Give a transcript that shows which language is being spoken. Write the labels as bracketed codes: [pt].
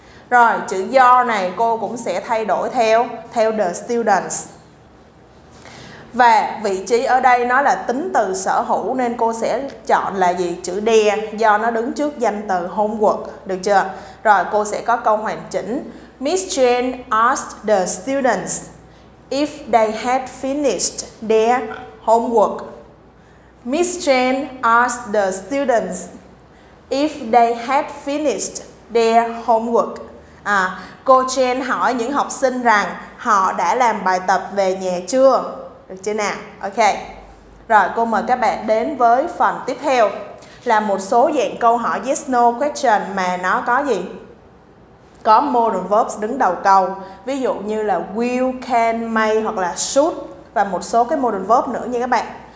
[vi] Rồi chữ do này cô cũng sẽ thay đổi theo theo the students. Và vị trí ở đây nó là tính từ sở hữu nên cô sẽ chọn là gì? Chữ there do nó đứng trước danh từ homework, được chưa? Rồi cô sẽ có câu hoàn chỉnh. [en] Miss Jane asked the students if they had finished their homework. Miss Jane asked the students if they had finished their homework. [vi] À, cô Jane hỏi những học sinh rằng họ đã làm bài tập về nhà chưa? Được chưa nào? Ok. Rồi cô mời các bạn đến với phần tiếp theo là một số dạng câu hỏi yes no question mà nó có gì? Có modal verbs đứng đầu câu, ví dụ như là will, can, may hoặc là should và một số cái modal verb nữa nha các bạn.